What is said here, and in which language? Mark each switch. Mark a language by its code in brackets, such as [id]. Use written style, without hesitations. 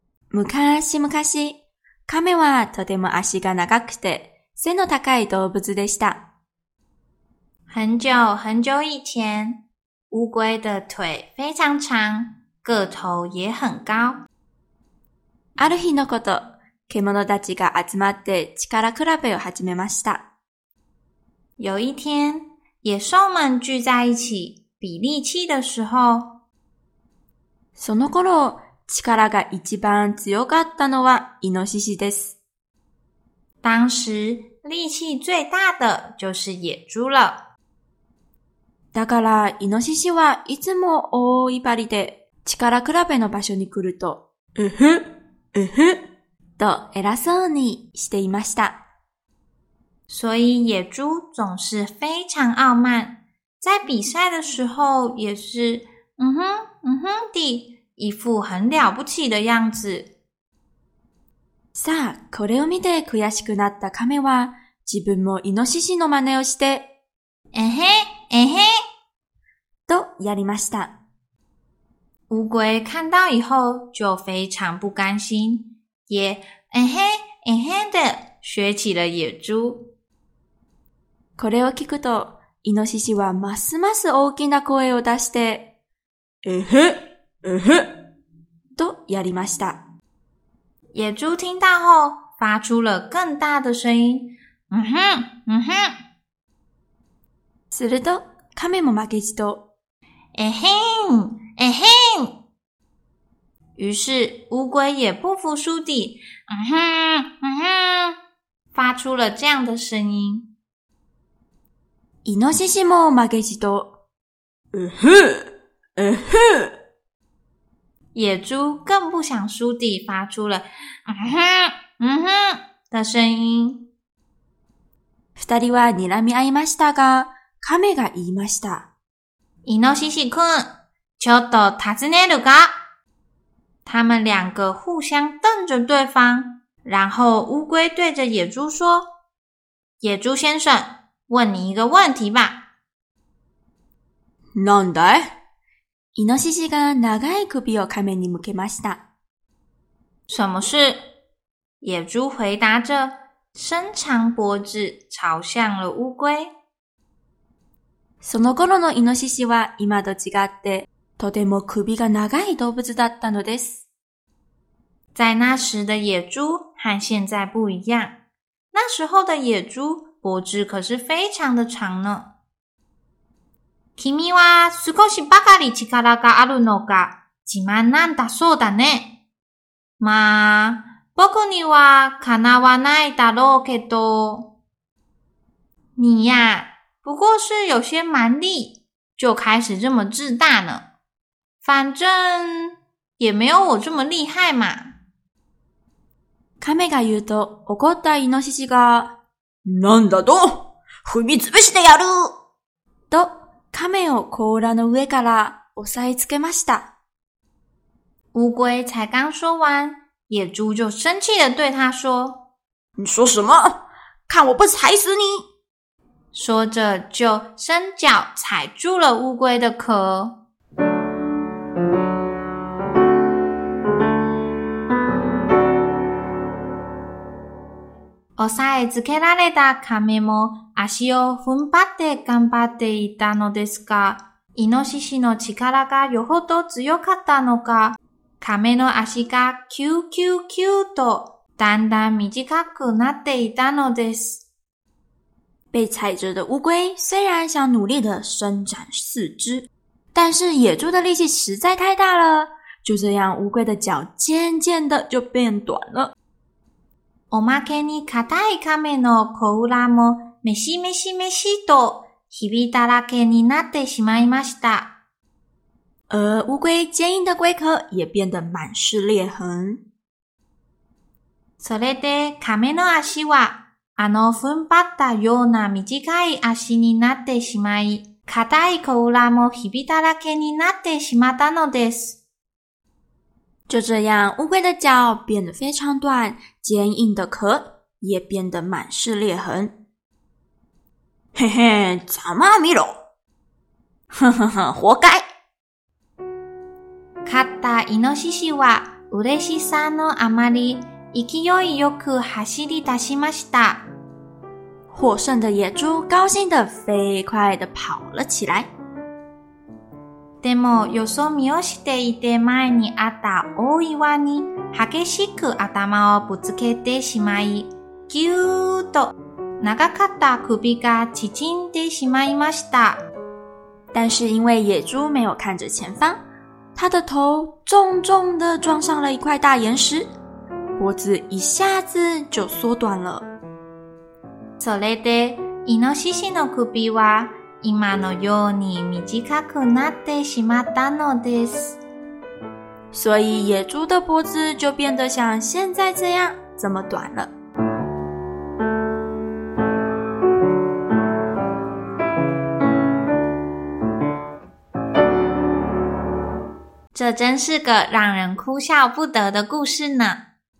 [ja] むかしむかし、カメはとても足が長くて背の高い動物でした。 [zh] 很久很久以前，乌龟的腿非常长，个头也很高。 [ja] ある日のこと、獣たちが集まって力比べを始めました。 [zh] 有一天，野兽们聚在一起比力气的时候。 [ja] その頃、力が一番強かったのはイノシシです。 [zh] 当时、力气最大的就是野猪了。 [ja] だから、イノシシはいつも大威張りで、力比べの場所に来ると、えへ、えへ、と偉そうにしていました。 [zh] 所以野猪总是非常傲慢、在比赛的时候也是、嗯哼、嗯哼地、一副很了不起的样子。 [ja] さあ、これを見て悔しくなったカメは、自分もイノシシの真似をして、えへ、えへ、とやりました。 [zh] 乌龟看到以后就非常不甘心、也、えへ、えへで学起了野猪。 [ja] これを聞くと、イノシシはますます大きな声を出して、えへ、えへ、とやりました。 [zh] 野猪听到后、发出了更大的声音、うふん、うふん。 [ja] すると、亀も負けじと、えへん、えへん。 [zh] 于是、乌龟也不服输地、うふん、うふん、发出了这样的声音。 [ja] イノシシも負けじと、えへん、えへん。 [zh] 野猪更不想输地发出了、うふん、うふん的声音。 [ja] 二人は睨み合いましたが、亀が言いました。イノシシ君、ちょっと尋ねるか？ [zh] 他们两个互相瞪着对方、然后乌龟对着野猪说、野猪先生、问你一个问题吧。 [ja] なんだい？イノシシが長い首を亀に向けました。 [zh] 什么事？野猪回答着、伸长脖子朝向了乌龟。 [ja] その頃のイノシシは今と違って、とても首が長い動物だったのです。 [zh] 在那时的野猪和现在不一样。那时候的野猪脖子可是非常的长呢。 [ja] 君は少しばかり力があるのが自慢なんだそうだね。まあ、僕にはかなわないだろうけど。 [zh] 你呀、不过是有些蛮力就开始这么自大呢。反正也没有我这么厉害嘛。 [ja] 亀が言うと怒ったイノシシが、なんだと、踏みつぶしてやると亀を甲羅の上から押さえつけました。 [zh] 乌龟才刚说完、野猪就生气地对他说、你说什么？看我不踩死你。说着就伸脚踩住了乌龟的壳。 [ja] 押さえつけられたカメも足を踏ん張って頑張っていたのですが、イノシシの力がよほど強かったのか、カメの足がキューキューキューとだんだん短くなっていたのです。 [zh] 被踩着的乌龟虽然想努力地伸展四肢，但是野猪的力气实在太大了，就这样乌龟的脚渐渐地就变短了。 [ja] おまけに硬い亀の甲羅もメシメシメシとひびだらけになってしまいました。 [zh] 而乌龟坚硬的龟壳也变得满是裂痕。 [ja] それで亀の足はあの踏ん張ったような短い足になってしまい、硬い甲羅もひびだらけになってしまったのです。 [zh] 就这样，乌龟的脚变得非常短，坚硬的壳也变得满是裂痕。嘿嘿，怎么没有？呵呵呵，活该。 [ja] 勝ったイノシシは嬉しさのあまり勢いよく走り出しました。 [zh] 获胜的野猪高兴地飞快地跑了起来。 [ja] でもよそ見をしていて前にあった大岩に激しく頭をぶつけてしまい、ぎゅーっと長かった首が縮んでしまいました。 [zh] 但是因为野猪没有看着前方，他的头重重地撞上了一块大岩石，脖子一下子就缩短了。 [ja] それでイノシシの首は今のように短くなってしまったのです。 [zh] 所以野猪的脖子就变得像现在这样这么短了。这真是个让人哭笑不得的故事呢。